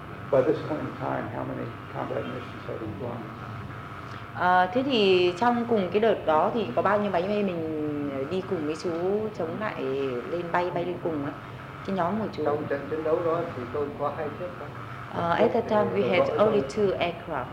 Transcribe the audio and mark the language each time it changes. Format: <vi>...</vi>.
<en>By this point in time, how many combat missions have been flown?</en> <vi>Thế thì trong cùng cái đợt đó thì có bao nhiêu máy bay mình đi cùng với chú chống lại lên bay lên cùng á? Cái nhóm của chú. Trong trận chiến đấu đó thì tôi có hai chiếc.</vi> <en>At that time we had only two aircraft.</en>